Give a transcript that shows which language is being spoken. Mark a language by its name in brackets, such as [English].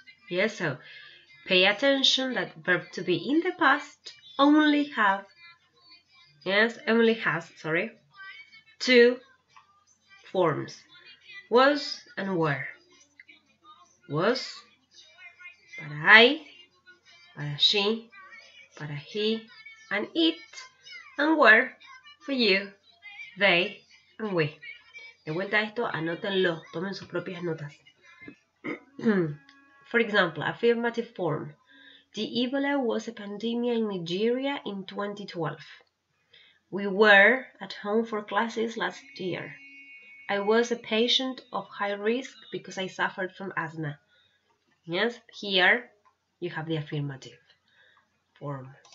[English] Yes, so pay attention that verb to be in the past only has two forms, was and were. Was, [Spanish] para I, para she, para he, [English] and it, and were, for you, they, and we. [Spanish] De vuelta a esto, anótenlo, tomen sus propias notas. [English] For example, affirmative form. The Ebola was a pandemia in Nigeria in 2012. We were at home for classes last year. I was a patient of high risk because I suffered from asthma. Yes, here you have the affirmative form.